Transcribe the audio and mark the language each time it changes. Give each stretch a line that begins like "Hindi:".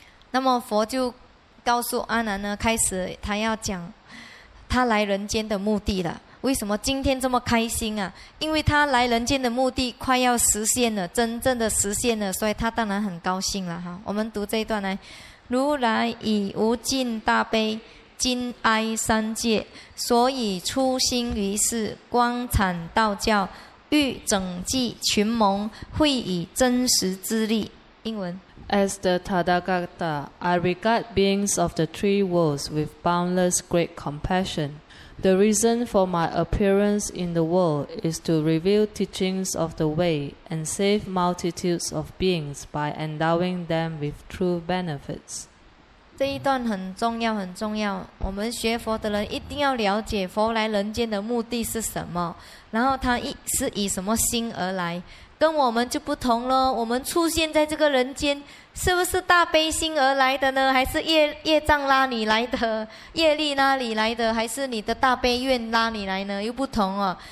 Chinese: 那么佛就告诉阿难呢，开始他要讲他来人间的目的了，为什么今天这么开心啊，因为他来人间的目的快要实现了，真正的实现了，所以他当然很高兴了。我们读这一段来。如来以无尽大悲今哀三界，所以初心于世光阐道教，欲整济群蒙，会以真实之力。英文：
English: As the Tathagata, I regard beings of the three worlds with boundless great compassion. The reason for my appearance in the world is to reveal teachings of the way and save multitudes of beings by endowing them with true benefits.
Chinese: 这一段很重要，很重要。我们学佛的人一定要了解佛来人间的目的是什么，然后他是以什么心而来，跟我们就不同了。我们出现在这个人间，是不是大悲心而来的呢？还是业障拉你来的，业力拉你来的，还是你的大悲愿拉你来呢？又不同哦。